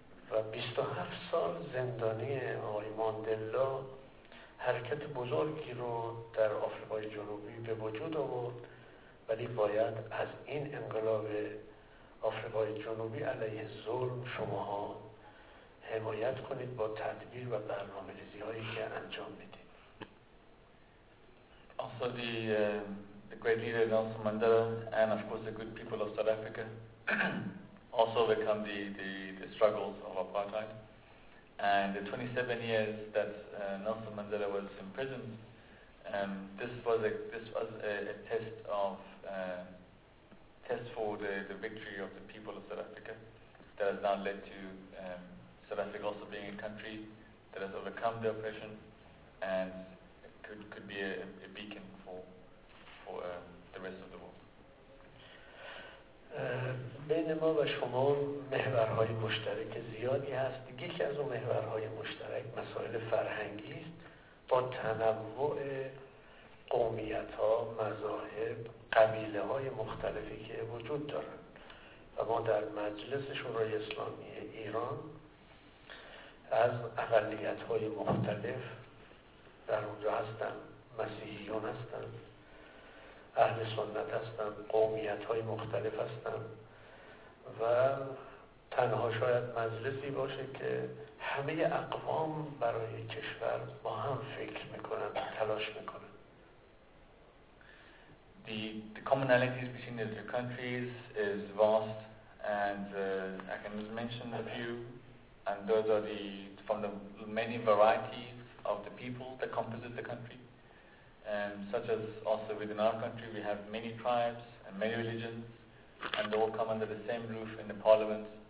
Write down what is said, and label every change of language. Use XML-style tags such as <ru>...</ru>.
<fa>و 27 سال زندانی آقای ماندلا حرکت بزرگی رو در آفریقای جنوبی به وجود آورد، ولی باید از این انقلاب آفریقای جنوبی علیه ظلم شماها حمایت کنید با تدبیر و برنامه ریزی هایی که انجام میدید.</fa> <en>Also the great leader Nelson Mandela and of course the good people of South Africa also overcome the struggles of apartheid, and the 27 years that Nelson Mandela was imprisoned, this was a test of test for the victory of the people of South Africa that has now led to South Africa also being a country that has overcome the oppression and could be a beacon for the rest of the world.</en> <fa>بین ما و شما محورهای مشترک زیادی هست. یکی از اون محورهای مشترک مسائل فرهنگی است، با تنوع قومیت‌ها، مذاهب، قبیله‌های مختلفی که وجود دارند. و ما در مجلس شورای اسلامی ایران از اقلیت‌های مختلف در اونجا هستند، مسیحیان هستند، اهل سنت هستند، قومیت‌های مختلف هستند و تنها شاید مجلسی باشه که همه اقوام برای کشور با هم فکر می‌کنند، تلاش می‌کنند.</fa> <en>The commonalities between the two countries is vast, and I can just mention a few. And those are from the many varieties of the people that composite the country. Such as also within our country, we have many tribes and many religions, and they all come under the same roof in the parliament.</en>